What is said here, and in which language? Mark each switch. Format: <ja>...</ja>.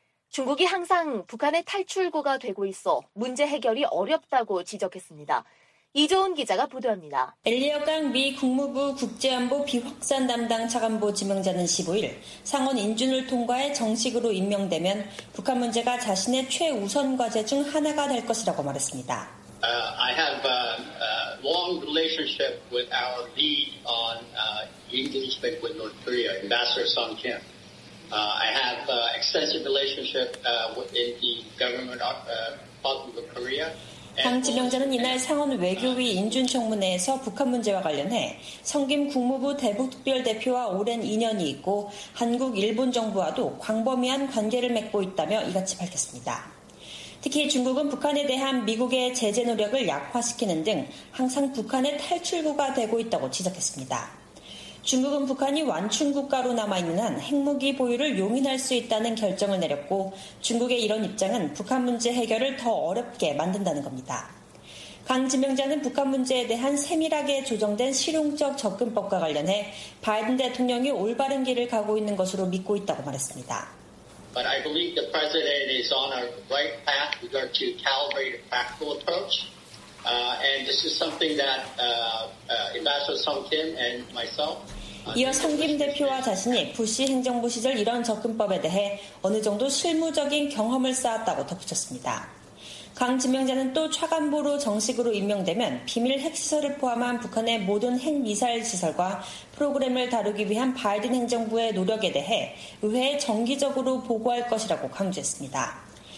<ko>중국이 항상 북한의 탈출구가 되고 있어 문제 해결이 어렵다고 지적했습니다. 이조은 기자가 보도합니다. 엘리어 강 미 국무부 국제안보 비확산 담당 차관보 지명자는 15일 상원 인준을 통과해 정식으로 임명되면 북한 문제가 자신의 최우선 과제 중 하나가 될 것이라고 말했습니다.</ko> <en>I have a long relationship with our lead on engagement with North Korea, Ambassador Song Kim. I have an extensive relationship within the government of Korea.</en> <ko>강 지명자는 이날 상원 외교위 인준청문회에서 북한 문제와 관련해 성김 국무부 대북특별대표와 오랜 인연이 있고 한국, 일본 정부와도 광범위한 관계를 맺고 있다며 이같이 밝혔습니다. 특히 중국은 북한에 대한 미국의 제재 노력을 약화시키는 등 항상 북한의 탈출구가 되고 있다고 지적했습니다. 중국은 북한이 완충국가로 남아있는 한 핵무기 보유를 용인할 수 있다는 결정을 내렸고 중국의 이런 입장은 북한 문제 해결을 더 어렵게 만든다는 겁니다. 강 지명자는 북한 문제에 대한 세밀하게 조정된 실용적 접근법과 관련해 바이든 대통령이 올바른 길을 가고 있는 것으로 믿고 있다고 말했습니다.</ko> <en>But I believe the president is on a right path with regard to calibrated practical approach. And this is something that Ambassador Song Kim and myself.</en> <ko>이어 상김 대표와 자신이 부시 행정부 시절 이런 접근법에 대해 어느 정도 실무적인 경험을 쌓았다고 덧붙였습니다. 강 지명자는 또 차관보로 정식으로 임명되면 비밀 핵시설을 포함한 북한의 모든 핵미사일 시설과 프로그램을 다루기 위한 바이든 행정부의 노력에 대해 의회에 정기적으로 보고할 것이라고 강조했습니다.</ko>